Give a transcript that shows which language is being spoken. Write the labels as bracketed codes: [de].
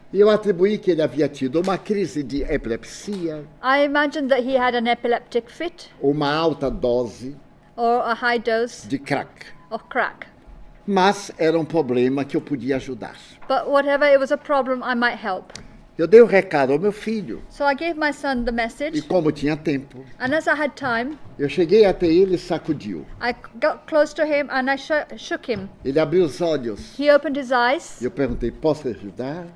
[pt] Eu atribuí que ele havia tido uma crise de epilepsia. [en] I imagined that he had an epileptic fit. [pt] Uma alta dose. [en] Or a high dose. [pt] De crack. [en] Of crack. [pt] Mas era um problema que eu podia ajudar. [en] But whatever it was a problem, I might help. [pt] Eu dei o recado ao meu filho. [en] So I gave my son the message. [pt] E como tinha tempo. [en] And as I had time. [pt] Eu cheguei até ele e sacudiu. [en] I got close to him and I shook him. [pt] Ele abriu os olhos. [en] He opened his eyes. [pt] E eu perguntei, posso ajudar?